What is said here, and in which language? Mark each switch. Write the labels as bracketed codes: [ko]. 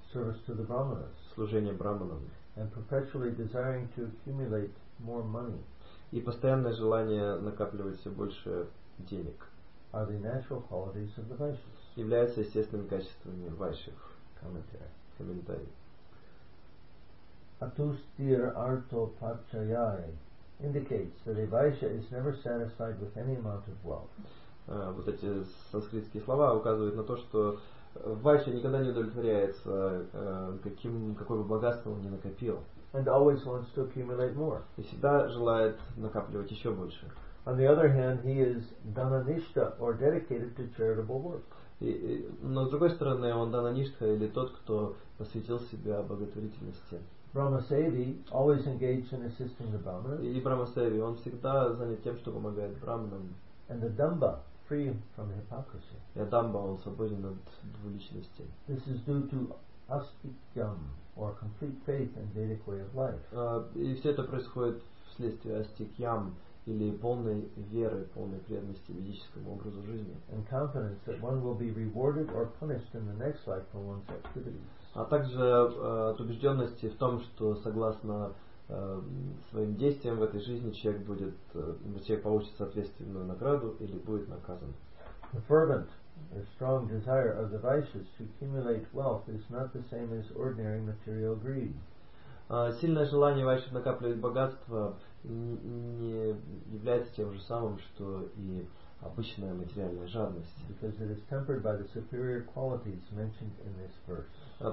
[en] Service to the brahmanas. [ru] Служение брахманам. [en] And perpetually desiring to accumulate more money. [ru] И постоянное желание накапливать все больше денег. [en] Are the natural qualities of the Vaishyas. [ru] Являются естественными качествами Вайшев. [en] Commentary. [ru] Комментарий. [sa] Atustir arto pachayai [en] indicates that a Vaishya is never satisfied with any amount of wealth. [ru] Вот эти санскритские слова указывают на то, что Вайшя никогда не удовлетворяется какое бы богатство он ни накопил. [en] And always wants to accumulate more. [ru] И всегда желает накапливать еще больше. [en] On the other hand, he is dananishta or dedicated to charitable work. [ru] Но с другой стороны, он дананишта или тот, кто посвятил себя благотворительности. [en] Brahmasevi always engaged in assisting the brahmanas. [ru] И брахмасеви, он всегда занят тем, что помогает брахманам. [en] And the dhamma, free from hypocrisy. [ru] И дамба, он свободен от двуличности. [en] This is due to astikyam or complete faith in Vedic way of life. [ru] И все это происходит вследствие астикьям. Или полной веры, полной преданности ведическому образу жизни. [en] And confidence that one will be rewarded or punished in the next life for one's activities. [ru] А также от убежденности в том, что согласно своим действиям в этой жизни человек получит соответственную награду или будет наказан. [en] The fervent, the strong desire of the Vaishyas to accumulate wealth is not the same as ordinary material greed. [ru] Сильное желание вайшнав накапливать богатство не является тем же самым, что и обычная материальная жадность. [en] Because it is tempered by the superior qualities mentioned in this verse.